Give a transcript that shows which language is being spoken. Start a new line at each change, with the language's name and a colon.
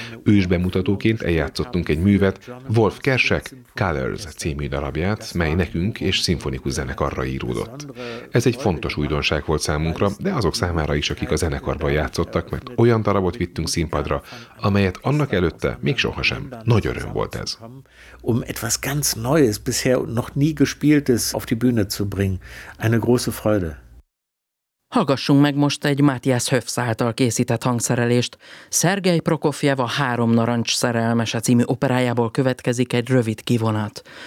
Hungarian: Ősbemutatóként eljátszottunk egy művet, Wolf Kersek Colors című darabját, mely nekünk és szimfonikus zenekarra íródott. Ez egy fontos újdonság volt számunkra, de azok számára is, akik a zenekarban játszottak, mert olyan darabot vittünk színpadra, amelyet annak előtte még sohasem. Nagy öröm volt ez.
German: Um etwas ganz Neues, bisher noch nie gespieltes auf die Bühne zu bringen. Eine große Freude.
Hungarian: Hallgassunk meg most egy Matthias Höfs által készített hangszerelést. Sergej Prokofjev a Három narancs szerelmese című operájából következik egy rövid kivonat.